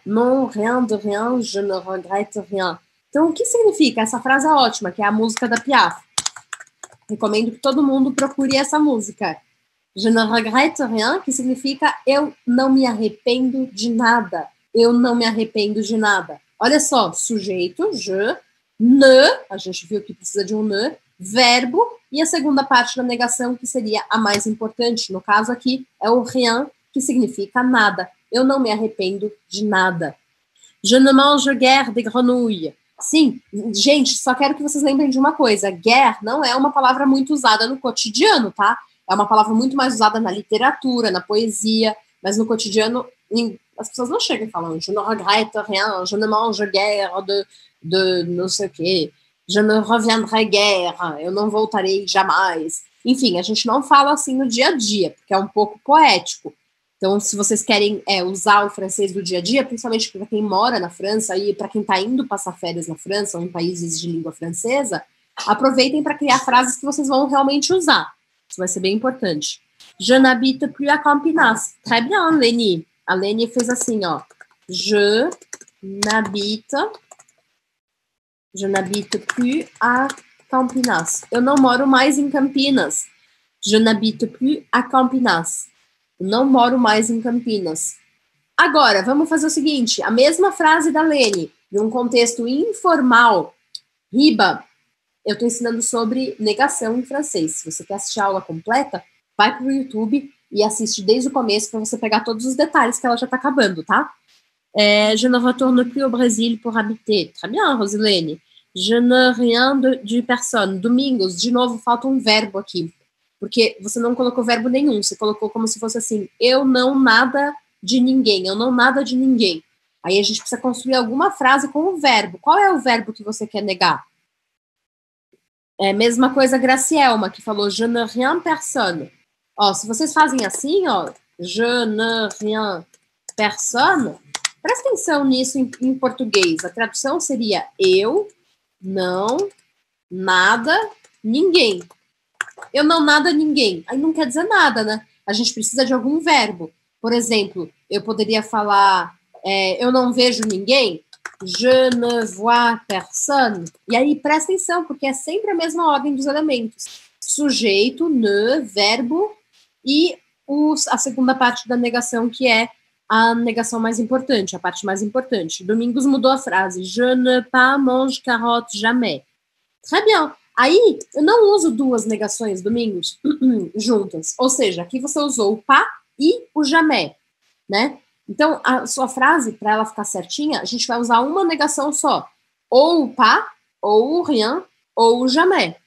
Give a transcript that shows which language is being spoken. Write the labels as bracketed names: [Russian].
[French] Non, rien de rien, je ne regrette rien. [Portuguese] Então, o que significa essa frase ótima, que é a música da Piaf? Recomendo que todo mundo procure essa música. [French] Je ne regrette rien, [Portuguese] que significa eu não me arrependo de nada. Eu não me arrependo de nada. Olha só, sujeito, je, ne, a gente viu que precisa de um ne, verbo, e a segunda parte da negação, que seria a mais importante, no caso aqui, é o rien, que significa nada. Eu não me arrependo de nada. [French] Je ne mange guère de grenouille. [Portuguese] Sim, gente, só quero que vocês lembrem de uma coisa, guerre não é uma palavra muito usada no cotidiano, tá? É uma palavra muito mais usada na literatura, na poesia, mas no cotidiano... as pessoas não chegam falando [French] je ne regrette rien, je ne mange guère de [Portuguese] não sei o quê, [French] je ne reviendrai guère, [Portuguese] eu não voltarei jamais. Enfim, a gente não fala assim no dia a dia, porque é um pouco poético. Então, se vocês querem usar o francês do dia a dia, principalmente para quem mora na França e para quem está indo passar férias na França, ou em países de língua francesa, Aproveitem para criar frases que vocês vão realmente usar. Isso vai ser bem importante. [French] Je n'habite plus à Campinasse. Très bien, Leni. [Portuguese] A Leni fez assim, ó. [French] Je n'habite plus à Campinas. [Portuguese] Eu não moro mais em Campinas. [French] Je n'habite plus à Campinas. [Portuguese] Não moro mais em Campinas. Agora, vamos fazer o seguinte. A mesma frase da Leni, num contexto informal, riba, eu estou ensinando sobre negação em francês. Se você quer assistir a aula completa, vai para o YouTube e assiste desde o começo para você pegar todos os detalhes que ela já está acabando, tá? [French] Je ne retourne plus au Brésil pour habiter. Très bien, Rosilene. Je ne rien de personne. [Portuguese] Domingos, de novo, falta um verbo aqui. Porque você não colocou verbo nenhum. Você colocou como se fosse assim, eu não nada de ninguém. Eu não nada de ninguém. Aí a gente precisa construir alguma frase com o verbo. Qual é o verbo que você quer negar? É a mesma coisa a Gracielma, que falou [French] je ne rien personne. [Portuguese] Ó, se vocês fazem assim, ó, [French] je ne rien personne, [Portuguese] presta atenção nisso em português. A tradução seria eu não nada ninguém. Eu não nada ninguém. Aí não quer dizer nada, né? A gente precisa de algum verbo. Por exemplo, eu poderia falar eu não vejo ninguém. [French] Je ne vois personne. [Portuguese] E aí presta atenção, porque é sempre a mesma ordem dos elementos. Sujeito, ne, verbo e a segunda parte da negação, que é a negação mais importante, a parte mais importante. Domingos mudou a frase. [French] Je ne pas mange carottes jamais. Très bien. [Portuguese] Aí, eu não uso duas negações, Domingos, juntas. Ou seja, aqui você usou o pas e o jamais, né? Então, a sua frase, para ela ficar certinha, a gente vai usar uma negação só. Ou o pas, ou o rien, ou o jamais.